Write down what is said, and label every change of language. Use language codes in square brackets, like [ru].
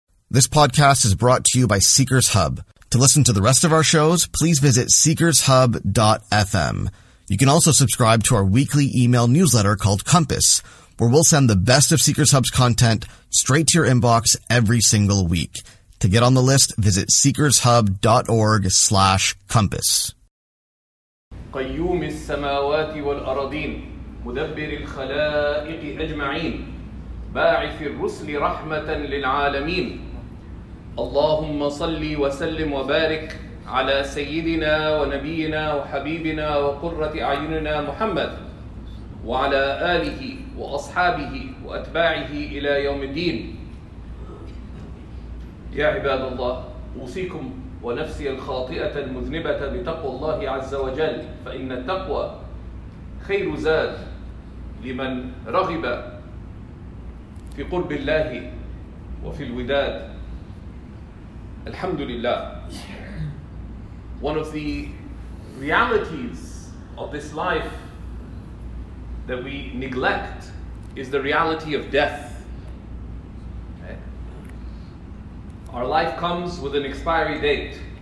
[en] This podcast is brought to you by Seekers Hub. To listen to the rest of our shows, please visit seekershub.fm. You can also subscribe to our weekly email newsletter called Compass, where we'll send the best of Seekers Hub's content straight to your inbox every single week. To get on the list, visit seekershub.org/compass. [ar] قيوم السماوات والأراضين مدبر الخلائق أجمعين باعث الرسل رحمة للعالمين اللهم صلي وسلم وبارك على سيدنا ونبينا وحبيبنا وقرة أعيننا محمد وعلى آله وأصحابه وأتباعه إلى يوم الدين. يا عباد الله، أوصيكم ونفسي الخاطئة المذنبة بتقوى الله عز وجل، فإن التقوى خير زاد لمن رغب في قرب الله وفي الوداد. Alhamdulillah. [en] One of the realities of this life that we neglect is the reality of death. Our life comes with an expiry date.